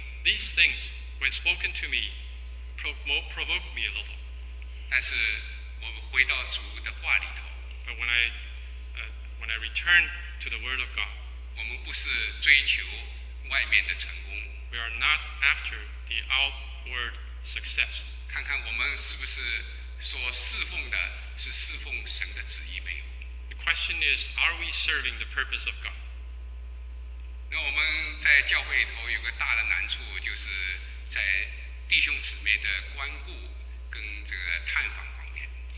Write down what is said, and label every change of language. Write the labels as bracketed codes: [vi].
[en] These things, when spoken to me, provoke me a little. [zh] 但是我们回到主的话里头。 [en] But when I return to the Word of God, [zh] 我们不是追求外面的成功。 [en] We are not after the outward success. [zh] 看看我们是不是所侍奉的是侍奉神的旨意没有。 [en] The question is, are we serving the purpose of God? [zh] 那我们在教会里头有个大的难处，就是在弟兄姊妹的关顾跟这个探访方面。